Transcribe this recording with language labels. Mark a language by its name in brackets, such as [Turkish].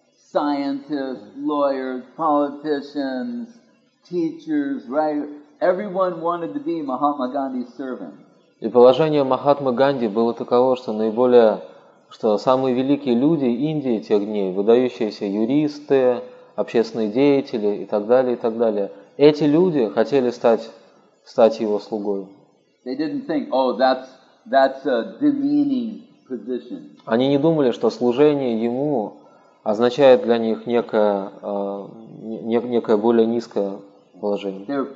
[English] Scientists, lawyers, politicians, teachers, writers, everyone wanted to be Mahatma Gandhi's servant. [Russian] И положение Махатмы Ганди было таково, что самые великие люди Индии тех дней, выдающиеся юристы, общественные деятели и так далее, эти люди хотели стать его слугой. [English] They didn't think, oh, that's a demeaning position. [Russian] Они не думали, что служение ему означает для них некое более низкое положение.